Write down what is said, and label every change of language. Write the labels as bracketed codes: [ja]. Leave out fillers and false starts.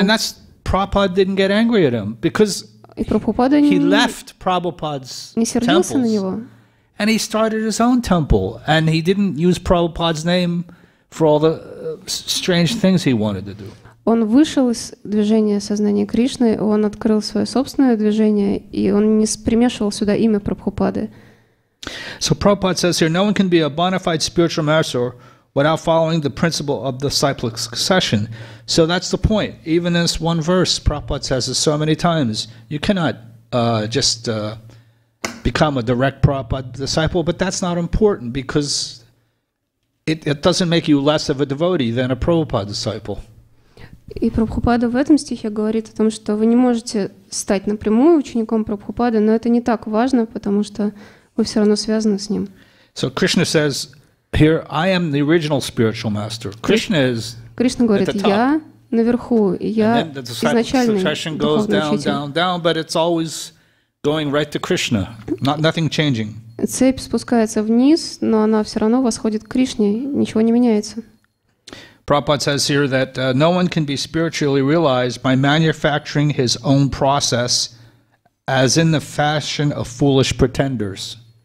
[en] And that's, Prabhupada didn't get angry at him, because [ru] И Прабхупада [en] he left Prabhupada's [ru] не сердился [en] temples. [ru] На него. [en] And he started his own temple, and he didn't use Prabhupada's name for all the strange things he wanted to do. [ru] он вышел из движения сознания Кришны, он открыл свое собственное движение, и он не примешивал сюда имя Прабхупады. [en] So Prabhupada says here, no one can be a bona fide spiritual master without following the principle of the cyclic succession. So that's the point. Even this one verse, Prabhupada says it so many times, you cannot become a direct Prabhupada disciple, but that's not important because it doesn't make you less of a devotee than a Prabhupada disciple. [ru] И Прабхупада в этом стихе говорит о том, что вы не можете стать напрямую учеником Прабхупады, но это не так важно, потому что вы все равно связаны с ним. [en] So Krishna says here, I am the original spiritual master. Krishna is [ru] Кришна говорит, [en] at the top. [ru] Я наверху, я изначальный духовный учитель. [en] And then the succession goes down, but it's always going right to Krishna, nothing changing. [ru] Цепь спускается вниз, но она все равно восходит к Кришне, ничего не меняется. [en] Prabhupada says here that no one can be spiritually realized by manufacturing his own process as in the fashion of foolish pretenders.